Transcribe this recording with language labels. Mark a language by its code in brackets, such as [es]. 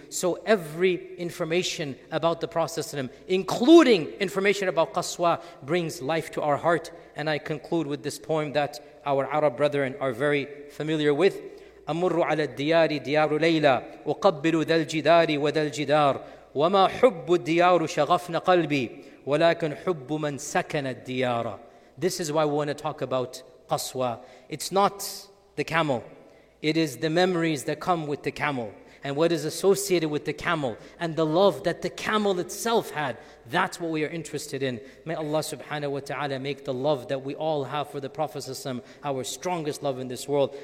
[en] So every information about the Prophet, including information about Qaswa, brings life to our heart. And I conclude with this poem that our Arab brethren are very familiar with. [ar] أمر على الديار ديار ليلى وقبل ذا الجدار وذا الجدار وما حب الديار شغفن قلبي ولكن حب من سكن الديار. [en] This is why we want to talk about Qaswa. It's not the camel. It is the memories that come with the camel, and what is associated with the camel, and the love that the camel itself had. That's what we are interested in. May Allah subhanahu wa ta'ala make the love that we all have for the Prophet ﷺ our strongest love in this world.